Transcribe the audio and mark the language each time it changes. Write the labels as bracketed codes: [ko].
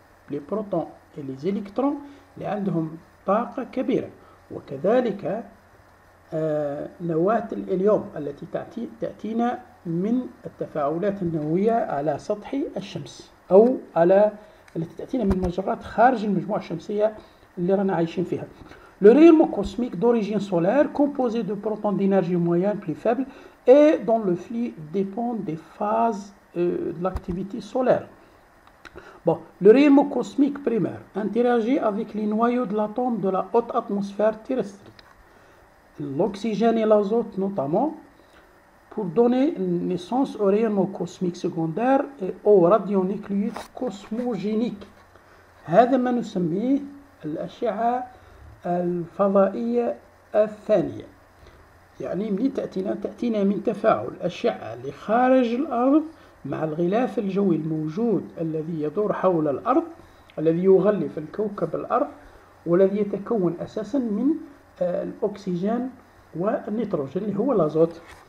[fr] لي بروتون اي لي زيليكترون [ar] اللي عندهم طاقة كبيرة، وكذلك نواة الهيليوم التي تأتينا من التفاعلات النووية على سطح الشمس، أو على التي تأتينا من مجرات خارج المجموعة الشمسية اللي رانا عايشين فيها. [fr] Le rayonnement cosmique d'origine solaire, composé de protons d'énergie moyenne plus faible, et dont le flux dépend des phases de l'activité solaire. Bon, le rayonnement cosmique primaire interagit avec les noyaux de l'atome de la haute atmosphère terrestre, l'oxygène et l'azote notamment, pour donner naissance au rayonnement cosmique secondaire et aux radionucléides cosmogéniques. [ar] هذا ما نسميه الأشعة الفضائية الثانية. يعني من تأتينا من تفاعل أشعة لخارج الأرض مع الغلاف الجوي الموجود الذي يدور حول الأرض، الذي يغلف الكوكب الأرض، والذي يتكون أساسا من الأكسجين والنيتروجين اللي هو الأزوت.